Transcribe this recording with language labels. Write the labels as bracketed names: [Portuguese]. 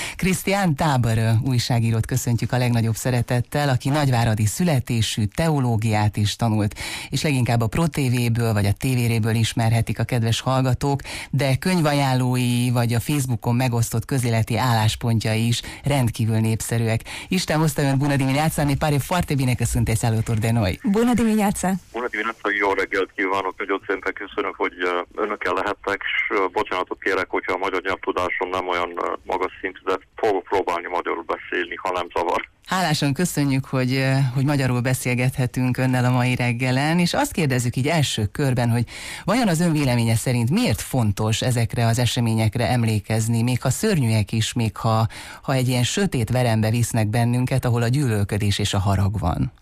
[Hungarian] Krisztián Tábor újságírót köszöntjük a legnagyobb szeretettel, aki nagyváradi születésű, teológiát is tanult, és leginkább a ProTV-ből vagy a TV-ről ismerhetik a kedves hallgatók, de könyvajánlói vagy a Facebookon megosztott közéleti álláspontjai is rendkívül népszerűek. Isten hozta önt, [Romanian] buona dimineața, ne pare foarte bine că sunteți alături de noi. Buona dimineața! Buona dimineața, [Hungarian] jó reggelt kívánok, nagyon szépen köszönöm, hogy önökkel lehettek, és bocsánatot kérek, hogyha a magyar nyelvtudásom nem olyan magas szint, de fogok próbálni magyarul beszélni, ha nem zavar. Hálásan köszönjük, hogy magyarul beszélgethetünk önnel a mai reggelen, és azt kérdezzük így első körben, hogy vajon az ön véleménye szerint miért fontos ezekre az eseményekre emlékezni, még ha szörnyűek is, még ha egy ilyen sötét verembe visznek bennünket, ahol a gyűlölködés és a harag van?